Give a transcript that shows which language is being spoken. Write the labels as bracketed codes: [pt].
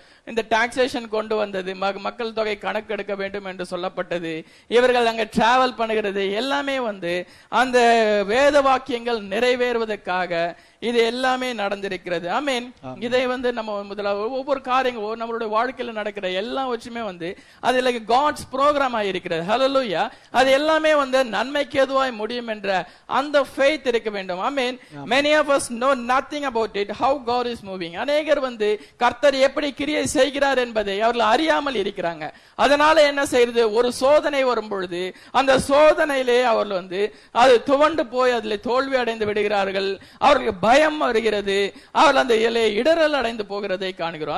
[ta] இந்த டாக்ஸேஷன் கொண்டு வந்தது, மக்கள் தொகை கணக்கு எடுக்க வேண்டும் என்று சொல்லப்பட்டது, இவர்கள் அங்கே டிராவல் பண்ணுகிறது, எல்லாமே வந்து அந்த வேத வாக்கியங்கள் நிறைவேறுவதற்காக இது எல்லாமே நடந்திருக்கிறது. ஆமென். இதை வந்து நம்ம முதலாவது ஒவ்வொரு காரியங்களும் நம்மளுடைய வாழ்க்கையில நடக்கிற எல்லாம் வச்சுமே வந்து அது லைக் காட்ஸ் ப்ரோக்ராம் ஆகியிருக்கிறது. ஹல்லேலூயா. அது எல்லாமே வந்து நன்மைக்கு எதுவாய் முடியும் என்ற அந்த ஃபெய்த் இருக்க வேண்டும். ஆமென். [en] Many of us know nothing about it, how God is moving. [ta] அநேகர் வந்து கர்த்தர் எப்படி கிரியை செய்கிறார் என்பதை அவர்கள் அறியாமல் இருக்கிறாங்க. அதனால என்ன செய்யறது, ஒரு சோதனை வரும் பொழுது அந்த சோதனையிலே அவர்கள் வந்து அது துவண்டு போய் அதில் தோல்வி அடைந்து விடுகிறார்கள். அவர்களுக்கு பயம் வருகிறது, அவர்கள் அந்த இலையை இடரல் அடைந்து போகிறதை காண்கிறோம்.